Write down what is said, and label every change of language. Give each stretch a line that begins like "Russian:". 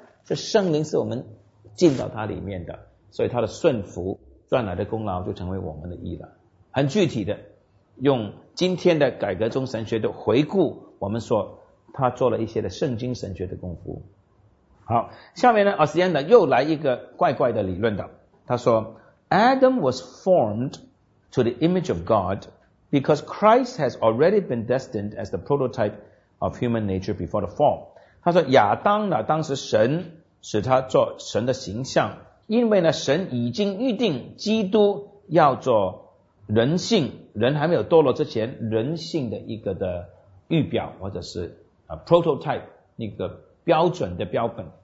Chinese: 是圣灵是我们进到他里面的，所以他的顺服赚来的功劳就成为我们的义了。很具体的用今天的改革中神学的回顾，我们说他做了一些的圣经神学的功夫。好，下面呢 Osiander 又来一个怪怪的理论的。
English: 他说 Adam was formed to the image of God because Christ has already been destined as the prototype of human nature before the fall.
Chinese: 他说亚当呢，当时神使他做神的形象，因为呢神已经预定基督要做人性，人还没有堕落之前人性的一个的预表，或者是prototype 那个标准的标本。